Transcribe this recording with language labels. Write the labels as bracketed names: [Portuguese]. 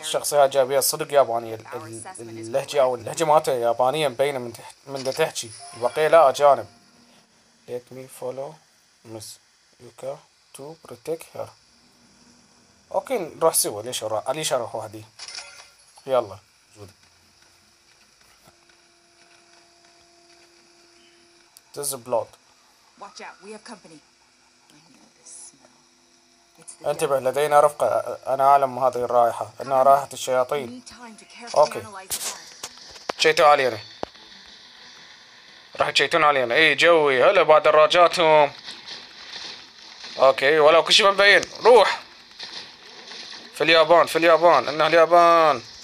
[Arabic] الشخصية الجابية صدق يابانية اللهجة او اللهجة مالتها يابانية مبينة من اللي تحكي البقية لا اجانب [English] let me follow miss yuka to protect her [Arabic] اوكي نروح سوا ليش اروح وحدي يلا [English] This is blood. Watch out, we have company. I know this smell. [Arabic] انتبه لدينا رفقة انا اعلم هذه الرائحة انها رائحة الشياطين اوكي شيتوا علينا راح تشيتون علينا اي جوي هلا بعد الراجاتهم اوكي ولا كل شيء مبين. روح في اليابان، في اليابان، انه اليابان.